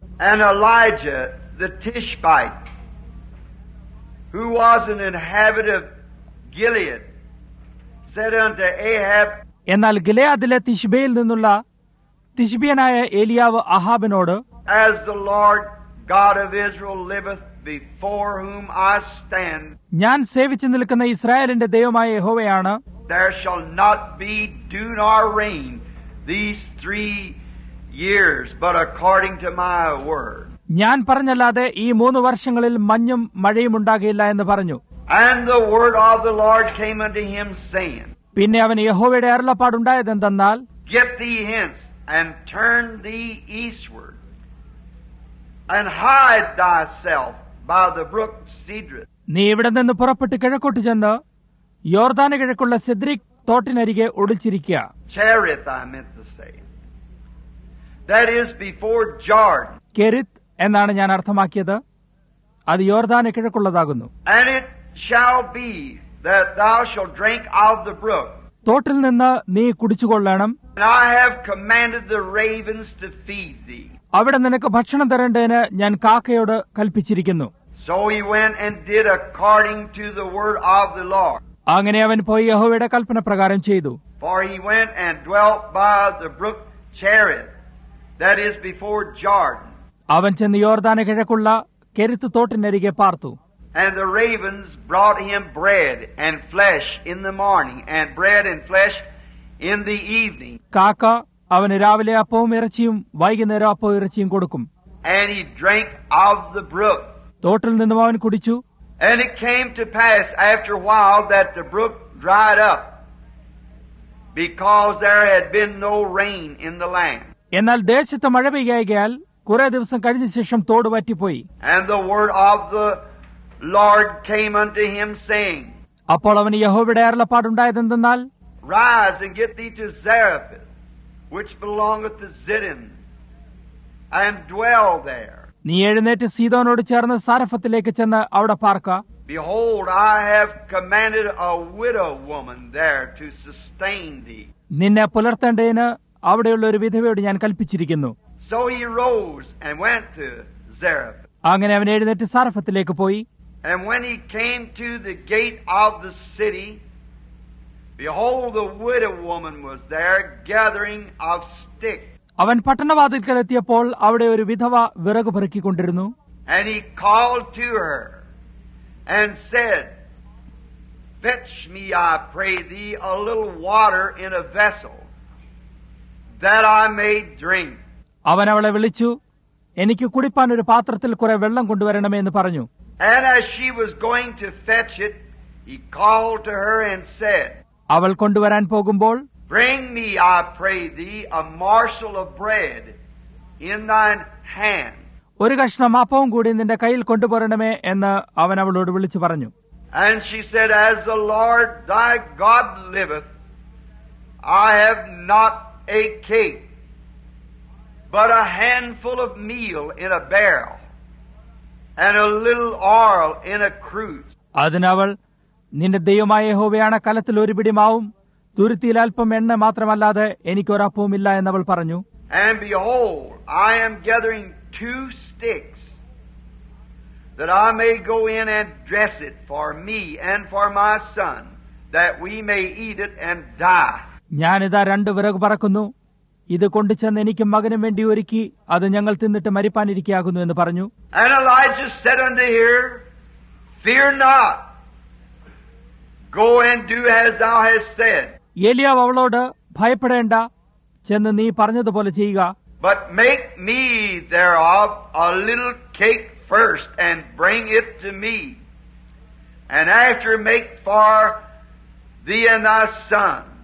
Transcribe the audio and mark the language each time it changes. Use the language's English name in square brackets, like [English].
[English] And Elijah the Tishbite, who was an inhabitant of Gilead, said unto Ahab, [Malayalam] എന്നാൽ ഗിലെയാദിലെ തിശ്ബയിൽ നിന്നുള്ള തിശ്ബിയനായ ഏലിയാവ് അഹാബിനോട്, [English] As the Lord God of Israel liveth, before whom I stand, [Malayalam] ഞാൻ സേവിച്ചു നിൽക്കുന്ന ഇസ്രായേലിന്റെ ദൈവമായ യഹോവയാണ്, [English] There shall not be dew nor rain these 3 years, but according to my word. [Malayalam] ഞാൻ പറഞ്ഞല്ലാതെ ഈ 3 വർഷങ്ങളിൽ മഞ്ഞും മഴയും ഉണ്ടാകില്ല എന്ന് പറഞ്ഞു. [English] And the word of the Lord came unto him saying, [Malayalam] പിന്നെ അവൻ യഹോവയുടെ അരുളപ്പാടുണ്ടായത് എന്തെന്നാൽ, [English] Get thee hence and turn thee eastward and hide thyself by the brook Cedrus. [Malayalam] നീ ഇവിടെ നിന്ന് പുറപ്പെട്ട് കിഴക്കോട്ട് ചെന്ന് യോർദാന കിഴക്കുള്ള സിദ്രിക് തോട്ടിനരികെ ഒളിച്ചിരിക്കുക. [English] Cherith, I meant to say. That is before Jordan. [Malayalam] കെരിത് എന്നാണ് ഞാൻ അർത്ഥമാക്കിയത്. അത് യോർദാന കിഴക്കുള്ളതാകുന്നു. [English] And it shall be that thou shalt drink out of the brook. [Malayalam] തോട്ടിൽ നിന്ന് നീ കുടിച്ചുകൊള്ളണം. [English] And I have commanded the ravens to feed thee. [Malayalam] അവിടെ നിനക്ക് ഭക്ഷണം തരേണ്ടതിന് ഞാൻ കാക്കയോട് കൽപ്പിച്ചിരിക്കുന്നു. [English] So he went and did according to the word of the Lord. [Malayalam] അങ്ങനെ അവൻ പോയി യഹോവയുടെ കൽപ്പന പ്രകാരം ചെയ്തു. [English] For he went and dwelt by the brook Cherith, that is before Jordan. [Malayalam] അവൻ ചെന്ന് യോർദാന കിഴക്കുള്ള കെരിത്ത് തോട്ടിനരികെ പാർത്തു. [English] And the ravens brought him bread and flesh in the morning and bread and flesh in the evening. [Malayalam] കാക്ക അവനെ രാവിലെ അപ്പവും ഇറച്ചിയും വൈകുന്നേരം അപ്പവും ഇറച്ചിയും കൊടുക്കും. [English] And he drank of the brook. [Malayalam] തോട്ടിൽ നിന്നും അവൻ കുടിച്ചു. [English] And it came to pass after a while that the brook dried up because there had been no rain in the land. [Malayalam] എന്നാൽ ദേശത്ത് മഴ പെയ്യായകയാൽ കുറെ ദിവസം കഴിഞ്ഞ ശേഷം തോട് വറ്റിപ്പോയി. [English] And the word of the Lord came unto him saying, [Malayalam] അപ്പോൾ അവന് യഹോവയുടെ അരുളപ്പാടുണ്ടായത് എന്തെന്നാൽ, [English] Rise and get thee to Zarephath, which belongeth to Zidon, and dwell there. [Malayalam] നീ എഴുന്നേറ്റ് സീദോനോട് ചേർന്ന് സാരഫത്തിലേക്ക് ചെന്ന് അവിടെ പാർക്ക. [English] Behold, I have commanded a widow woman there to sustain thee. [Malayalam] നിന്നെ പുലർത്തേണ്ടതിന് അവിടെയുള്ള ഒരു വിധവയോട് ഞാൻ കൽപ്പിച്ചിരിക്കുന്നു. [English] So he rose and went to Zarephath. [Malayalam] അങ്ങനെ അവൻ എഴുന്നേറ്റ് സാരഫത്തിലേക്ക് പോയി. [English] And when he came to the gate of the city, behold, the widow woman was there gathering of sticks. [Malayalam] അവൻ പട്ടണവാതിൽക്കലെത്തിയപ്പോൾ അവിടെ ഒരു വിധവ വിറക് പെറുക്കിക്കൊണ്ടിരുന്നു. [English] And he called to her and said, Fetch me, I pray thee, a little water in a vessel that I may drink. [Malayalam] അവൻ അവളെ വിളിച്ചു, എനിക്ക് കുടിപ്പാൻ ഒരു പാത്രത്തിൽ കുറെ വെള്ളം കൊണ്ടുവരണമേ എന്ന് പറഞ്ഞു. [English] And as she was going to fetch it, he called to her and said, [Malayalam] അവൾ കൊണ്ടുവരാൻ പോകുമ്പോൾ, [English] Bring me, I pray thee, a morsel of bread in thine hand. [Malayalam] ഒരു കഷ്ണം അപ്പവും കൂടി നിന്റെ കയ്യിൽ കൊണ്ടുവരണമേ എന്ന് അവൻ അവളോട് വിളിച്ചു പറഞ്ഞു. [English] And she said, As the Lord thy God liveth, I have not a cake, but a handful of meal in a barrel, and a little oil in a cruse. [Malayalam] അതിനവൾ, നിന്റെ ദൈവമായ യഹോവയാണ് കലത്തിൽ ഒരു പിടി മാവും തുരുത്തിയിൽ അല്പം എണ്ണ മാത്രമല്ലാതെ എനിക്കൊരപ്പവും ഇല്ല എന്നവൾ പറഞ്ഞു. [English] And behold, I am gathering 2 sticks that I may go in and dress it for me and for my son, that we may eat it and die. [Malayalam] ഞാനിതാ 2 വിറക് പറക്കുന്നു, ഇത് കൊണ്ടു ചെന്ന് എനിക്കും മകനും വേണ്ടി ഒരുക്കി അത് ഞങ്ങൾ തിന്നിട്ട് മരിപ്പാനിരിക്കുന്നു എന്ന് പറഞ്ഞു. [English] And Elijah said unto her, Fear not, go and do as thou hast said. [Malayalam] ഏലിയാവ് അവളോട്, ഭയപ്പെടേണ്ട, ചെന്ന് നീ പറഞ്ഞതുപോലെ ചെയ്യുക. [English] But make me thereof a little cake first, and bring it to me. And after make for thee and thy son.